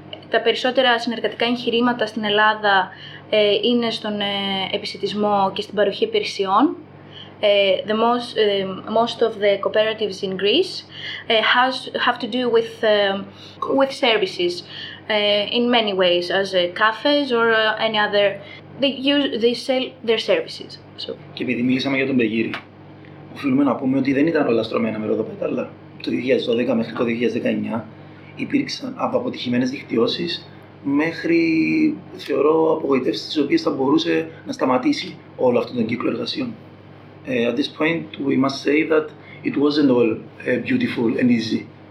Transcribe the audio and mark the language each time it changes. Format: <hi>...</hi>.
<el>Τα περισσότερα συνεργατικά εγχειρήματα στην Ελλάδα είναι στον επισιτισμό και στην παροχή υπηρεσιών.</el> <en>Most of the cooperatives in Greece have to do with services in many ways, as cafes or any other. They sell their services. So.</en> <el>Και επειδή μιλήσαμε για τον Μπεγύρι, οφείλουμε να πούμε ότι δεν ήταν όλα στρωμένα με ροδοπέταλα. Το 2012 μέχρι το 2019 υπήρξαν από αποτυχημένες δικτυώσεις μέχρι, θεωρώ, απογοητεύσεις τις οποίες θα μπορούσε να σταματήσει όλο αυτόν τον κύκλο εργασιών.</el> <en>At this point, we must say that it wasn't all beautiful and easy.</en>